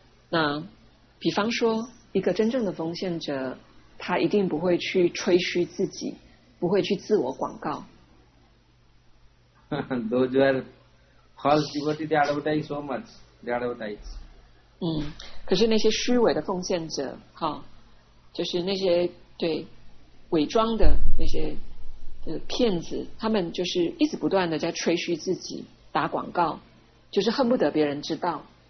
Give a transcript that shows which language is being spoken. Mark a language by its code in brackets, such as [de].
[zh] 那比方说，一个真正的奉献者，他一定不会去吹嘘自己，不会去自我广告。 [en] Those who are false devotees, they advertise so much. They advertise. [zh] 可是那些虚伪的奉献者，就是那些对伪装的那些骗子，他们就是一直不断的在吹嘘自己，打广告，就是恨不得别人知道。